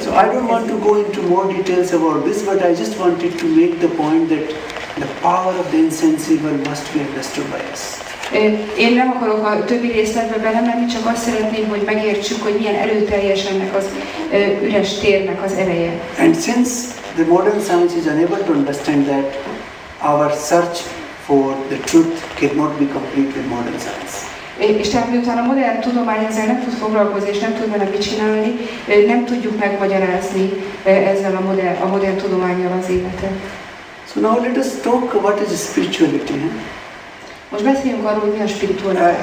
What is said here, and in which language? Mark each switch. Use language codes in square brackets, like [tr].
[en] So I don't want to go into more details about this, but I just wanted to make the point that the power of the insensible must be understood by us. [hu] Én nem akarok a többi részletbe belemenni, csak azt szeretném, hogy megértsük, hogy milyen erőteljes ennek az üres térnek az ereje. [en] And since the modern science is unable to understand that, our search for the truth cannot be complete with modern science. [hu] És tehát miután a modern tudomány ezzel nem tud foglalkozni és nem tud vele mit csinálni, nem tudjuk megmagyarázni ezzel a modern tudománnyal az életet. [en] So now let us talk what is spirituality. [hu] Most beszéljünk arról, hogy mi a spiritualitás.